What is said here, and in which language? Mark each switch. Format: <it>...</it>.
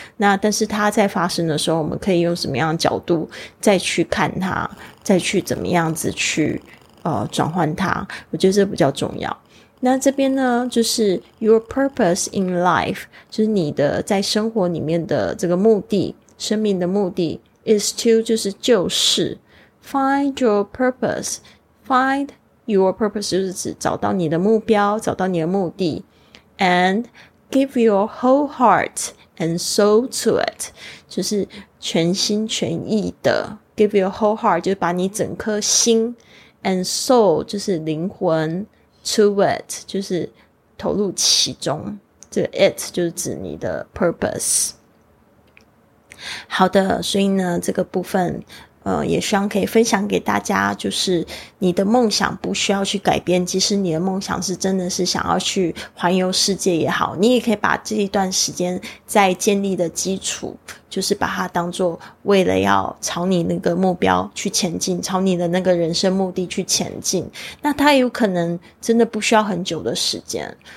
<zh>那但是它在发生的时候，我们可以用什么样的角度再去看它，再去怎么样子去转换它，我觉得这比较重要。那这边呢，就是</zh> <en>your purpose in life，</en> <zh>就是你的在生活里面的这个目的，生命的目的。</zh> <en>Is to</en> <zh>就是</zh> <en>find your purpose. Find your purpose</en> <zh>就是指找到你的目标，找到你的目的。</zh> <en>And give your whole heart and soul to it.</en> <zh>就是全心全意的。</zh> <en>Give your whole heart</en> <zh>就是把你整颗心</zh> <en>and soul</en> <zh>就是灵魂</zh> <en>to it</en> <zh>就是投入其中。这个 it 就是指你的 purpose。好的，所以呢这个部分也希望可以分享给大家，就是你的梦想不需要去改变，即使你的梦想是真的是想要去环游世界也好，你也可以把这一段时间在建立的基础，就是把它当作为了要朝你那个目标去前进，朝你的那个人生目的去前进，那它有可能真的不需要很久的时间。</zh>